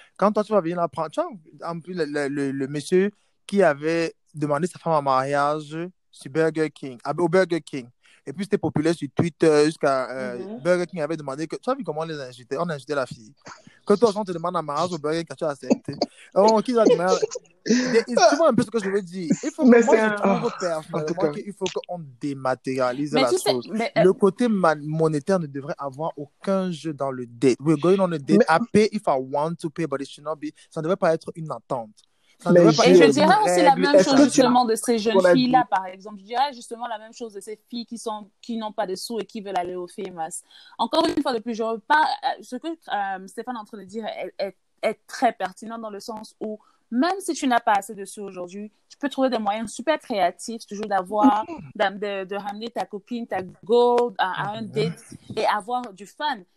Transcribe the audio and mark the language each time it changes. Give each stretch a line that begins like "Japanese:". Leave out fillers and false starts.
French: Quand toi, tu vas venir la prendre, tu vois, en plus, le monsieur qui avait demandé sa femme en mariage sur Burger King, au Burger King, et puis c'était populaire sur Twitter jusqu'à Burger King avait demandé que. Tu as vu comment on les a insultés? On a insulté la fille. Que toi, on te demande en mariage au Burger King, tu as accepté. Oh, qui a demandé? Tu vois un peu ce que je veux dire. Il faut mais que moi, je trouve personnellement qu'il faut qu'on dématérialise mais la chose. Sais, le côté monétaire ne devrait avoir aucun jeu dans le date.
English: We're going on a date. I pay if I want to pay, but it should not be.
French: Ça ne devrait pas être une attente. Mais et je dirais aussi la même chose justement de ces jeunes filles-là, par exemple. Je dirais justement la même chose de ces filles qui n'ont pas de sous et qui veulent aller au FEMUS. Encore une fois de plus, je repars, ce que Stéphane est en train de dire est très pertinent dans le sens où même si tu n'as pas assez de sous aujourd'hui, tu peux trouver des moyens super créatifs toujours d'avoir, de ramener ta copine, ta gold à un date et avoir du fun.